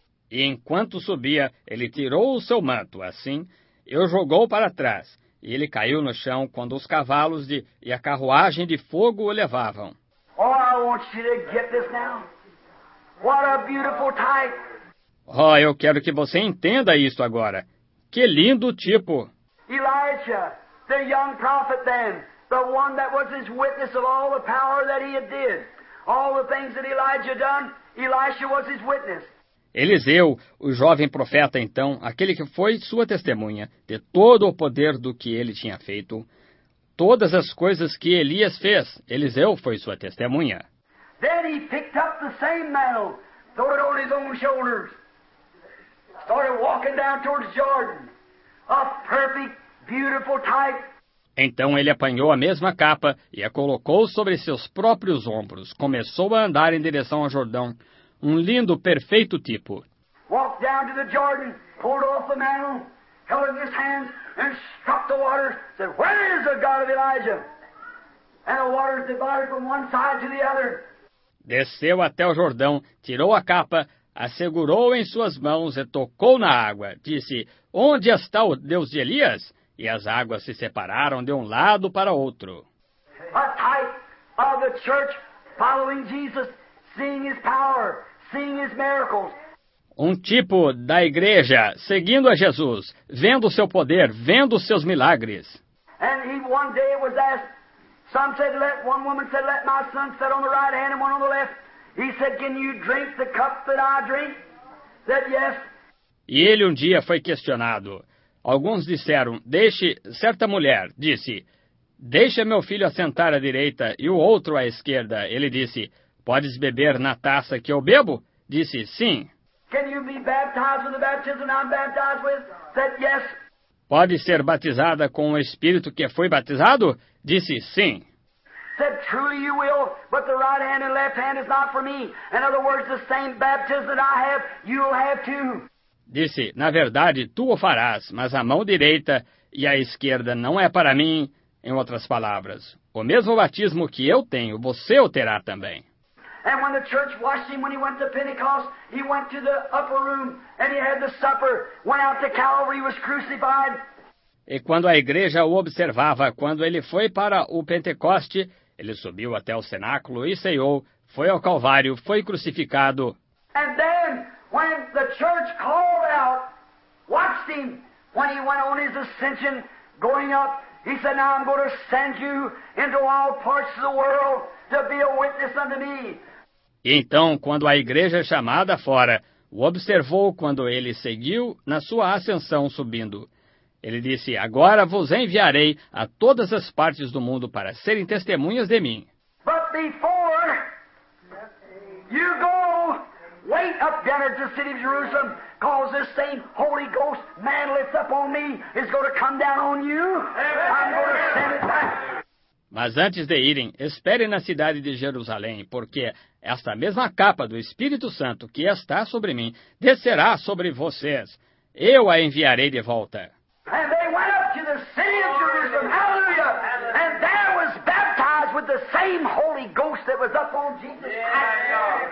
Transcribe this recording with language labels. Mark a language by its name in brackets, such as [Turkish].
[Portuguese] E enquanto subia, ele tirou o seu manto, assim, e o jogou para trás. E ele caiu no chão quando os cavalos e a carruagem de fogo o levavam. [English] Oh, I want you to get this now. What a beautiful type. [Portuguese] Oh, eu quero que você entenda isto agora. Que lindo tipo. [English] Elijah, the young prophet then, the one that was his witness of all the power that he had did. All the things that Elijah done, Elisha was his witness. [Portuguese] Eliseu, o jovem profeta então, aquele que foi sua testemunha de todo o poder do que ele tinha feito, todas as coisas que Elias fez, Eliseu foi sua testemunha. [English] Then he picked up the same mantle, threw it on his own shoulders, started walking down towards Jordan, a perfect, beautiful type. [Portuguese] Então ele apanhou a mesma capa e a colocou sobre seus próprios ombros, começou a andar em direção ao Jordão, um lindo, perfeito tipo. [English] Walked down to the Jordan, pulled off the mantle, held in his hands, and struck the water, said, where is the God of Elijah? And the water divided from one side to the other. [Portuguese] Desceu até o Jordão, tirou a capa, assegurou em suas mãos e tocou na água. Disse, onde está o Deus de Elias? E as águas se separaram de um lado para outro. [English] A type of the church following Jesus, seeing his power, seeing his miracles. [Portuguese] Um tipo da igreja seguindo a Jesus, vendo o seu poder, vendo os seus milagres. [English] And he one day was asked, some said, let, one woman said, let my son sit on the right hand and one on the left. He said, can you drink the cup that I drink? Said, yes. [Portuguese] E ele um dia foi questionado. Alguns disseram, deixe, certa mulher disse, deixe meu filho assentar à direita e o outro à esquerda. Ele disse, podes beber na taça que eu bebo? Disse, sim. [English] Can you be baptized with the baptism I'm baptized with? Said, yes. [Portuguese] Pode ser batizada com o Espírito que foi batizado? Disse, sim. [English] Said, truly you will, but the right hand and left hand is not for me. In other words, the same baptism that I have, you will have too. [Portuguese] Disse, na verdade, tu o farás, mas a mão direita e a esquerda não é para mim. Em outras palavras, o mesmo batismo que eu tenho, você o terá também. [English] And when the church washed him, when he went to Pentecost, he went to the upper room and he had the supper, went out to Calvary, was crucified. [Portuguese] E quando a igreja o observava, quando ele foi para o Pentecoste, ele subiu até o cenáculo e ceiou, foi ao Calvário, foi crucificado. [English] And then, when the church called out, watched him, when he went on his ascension, going up, he said, now I'm going to send you into all parts of the world to be a witness unto me. [Portuguese] E então, quando a igreja chamada fora, o observou quando ele seguiu na sua ascensão subindo. Ele disse, agora vos enviarei a todas as partes do mundo para serem testemunhas de mim. [English] But before you go, wait up there to the city of Jerusalem, because this same Holy Ghost man lifts up on me is going to come down on you. I'm going to send it back. [Portuguese] Mas antes de irem, esperem na cidade de Jerusalém, porque esta mesma capa do Espírito Santo que está sobre mim descerá sobre vocês. Eu a enviarei de volta. [English] And they went up to the city of Jerusalem. Hallelujah! And there was baptized with the same Holy Ghost that was up on Jesus Christ.